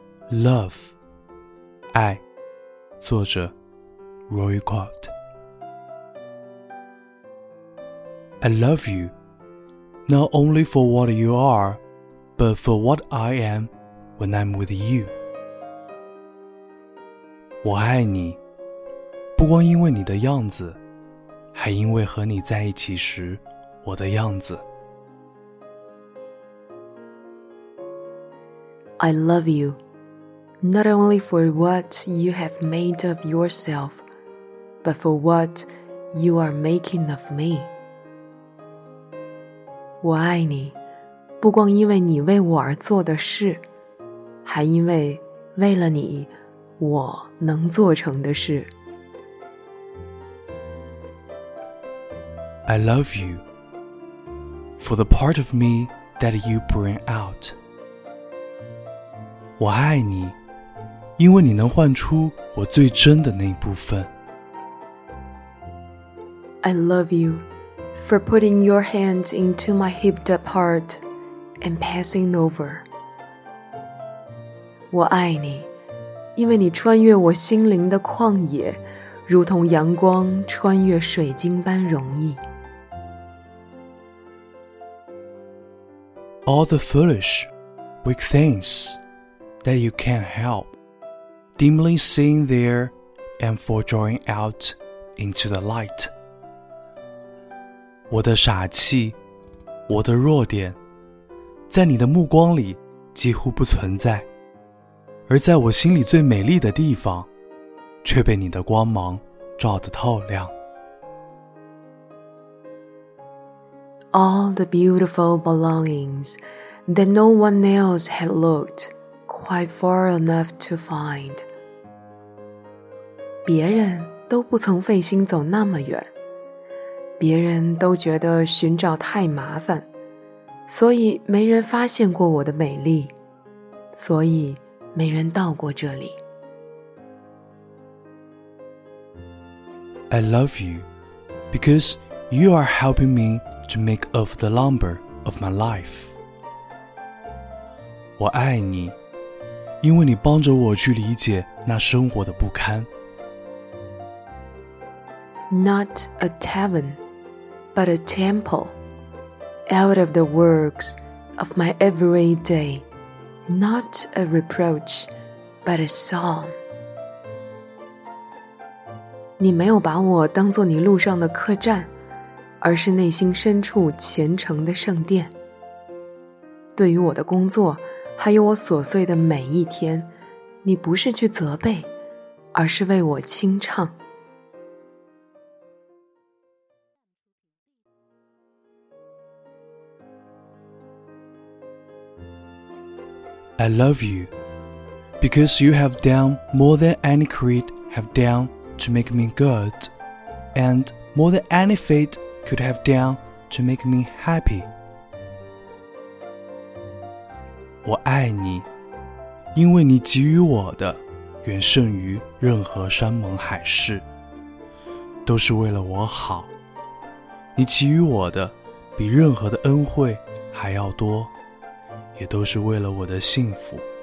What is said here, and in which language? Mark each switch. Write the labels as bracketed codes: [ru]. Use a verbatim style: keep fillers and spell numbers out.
[zh] Love 爱，作者 Roy Cott。 [en] I love you, not only for what you are, but for what I am when I'm with you. [zh] 我爱你，不光因为你的样子，还因为和你在一起时我的样子。 [en] I love you, not only for what you have made of yourself, but for what you are making of me. [zh] 我爱你，不光因为你为我而做的事，还因为为了你，我能做成的事。 [en] I love you, for the part of me that you bring out. [zh] 我爱你，因为你能唤出我最真的那一部分。 [en] I love you for putting your hand into my heaped up heart and passing over. [zh] 我爱你，因为你穿越我心灵的旷野，如同阳光穿越水晶般容易。 [en] All the foolish, weak things. That you can't help, dimly seeing there and for drawing out into the light. [zh] 我的傻气，我的弱点，在你的目光里几乎不存在，而在我心里最美丽的地方，却被你的光芒照得透亮。 [en] All the beautiful belongings that no one else had looked. Quite far enough to find. [zh] 别人都不曾费心走那么远，别人都觉得寻找太麻烦，所以没人发现过我的美丽，所以没人到过这里。 [en] I love you because you are helping me to make up the lumber of my life. [zh] 我爱你，因为你帮着我去理解那生活的不堪。 [en] Not a tavern, but a temple, out of the works of my every day. Not a reproach, but a song. [zh] 你没有把我当作你路上的客栈，而是内心深处虔诚的圣殿。对于我的工作，还有我琐碎的每一天，你不是去责备，而是为我轻唱。 [en] I love you, because you have done more than any creed have done to make me good, and more than any fate could have done to make me happy. [zh] 我爱你，因为你给予我的远胜于任何山盟海誓，都是为了我好。你给予我的比任何的恩惠还要多，也都是为了我的幸福。